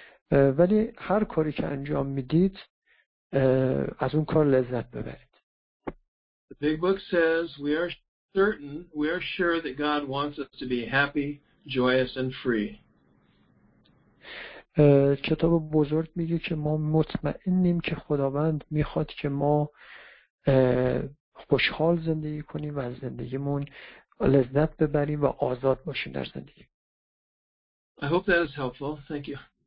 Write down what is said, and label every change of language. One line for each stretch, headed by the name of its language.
Persian: ولی هر کاری که انجام میدید از اون کار لذت ببرید.
English: The big book says we are sure that God wants us to be happy, joyous and free.
Persian: کتاب بزرگ میگه که ما مطمئنیم که خداوند میخواد که ما خوشحال زندگی کنیم و از زندگیمون لذت ببریم و آزاد باشیم در زندگی.
English: I hope that is helpful. Thank you.